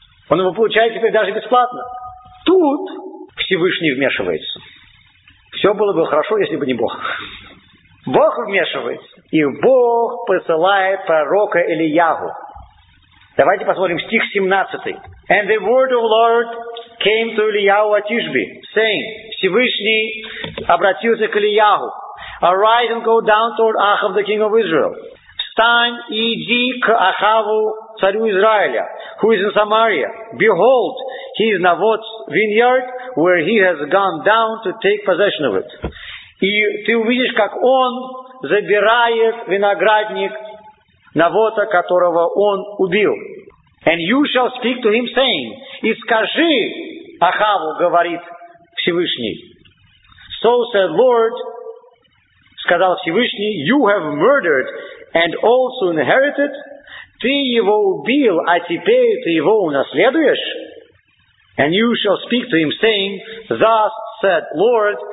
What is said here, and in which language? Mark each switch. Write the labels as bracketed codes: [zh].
[ru] Он его получает теперь даже бесплатно. Тут Всевышний вмешивается. Все было бы хорошо, если бы не Бог. Бог вмешивается. И Бог посылает пророка Элиягу. Давайте посмотрим стих 17. [en] «And the word of the Lord came to Eliyahu at Tishbe, saying...» [ru] Всевышний обратился к Элиягу. [en] «Arise and go down toward Ahab, the king of Israel». [ru] «Встань и иди к Ахаву, царю Израиля, [en] who is in Samaria. Behold, he is Navot's vineyard, where he has gone down to take possession of it». [ru] И ты увидишь, как он забирает виноградник Навота, которого он убил. [en] «And you shall speak to him, saying...» [ru] И скажи Ахаву, говорит Всевышний. [en] «So said Lord», [ru] сказал Всевышний, [en] «you have murdered and also inherited». [ru] Ты его убил, а теперь ты его унаследуешь. [en] «And you shall speak to him, saying, thus said Lord».